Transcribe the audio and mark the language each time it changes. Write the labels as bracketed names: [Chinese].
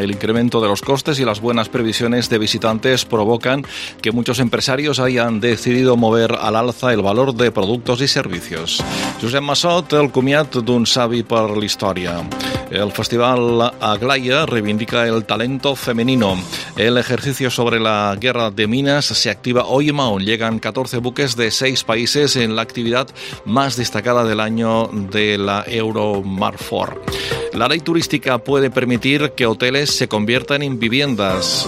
[Spanish] El incremento de los costes y las buenas previsiones de visitantes provocan que muchos empresarios hayan decidido mover al alza el valor de productos y servicios. [Catalan] Josep Massot, el comiat d'un savi per la història. [Spanish] El festival Aglaia reivindica el talento femenino. El ejercicio sobre la guerra de minas se activa hoy en Mahón. Llegan 14 buques de 6 países en la actividad más destacada del año de la Euromarfor. La ley turística puede permitir que hoteles se conviertan en viviendas.